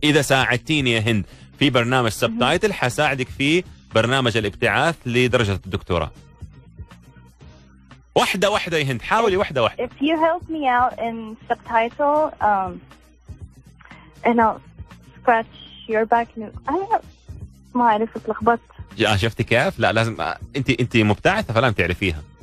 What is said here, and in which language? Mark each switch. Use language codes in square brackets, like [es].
[ar] إذا ساعدتيني يا هند في برنامج سبتايتل حساعدك في برنامج الابتعاث لدرجة الدكتوراه. واحدة واحدة يا هند, حاولي واحدة واحدة. [en] If you help me out in subtitle and I'll scratch your back. [ar] I ما أعرف اتلخبط. يا شفتي كيف؟ لا لازم أنت مبتعثة فلا تعرفيها.